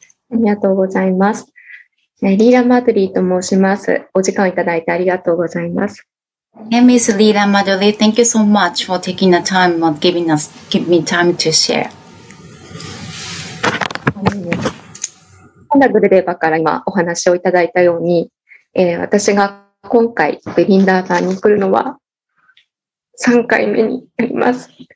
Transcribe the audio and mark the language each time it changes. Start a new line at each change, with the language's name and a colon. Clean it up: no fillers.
Japanese: ありがとうございます。 Lila Madhuri と申します。お時間いただいてありがとうございます。
English: My name is Lila Madhuri. Thank you so much for taking the time and giving me time to share.
Japanese: グルデバから今お話をいただいたように、私が今回ブリンダーバンに来るのは3回目になります。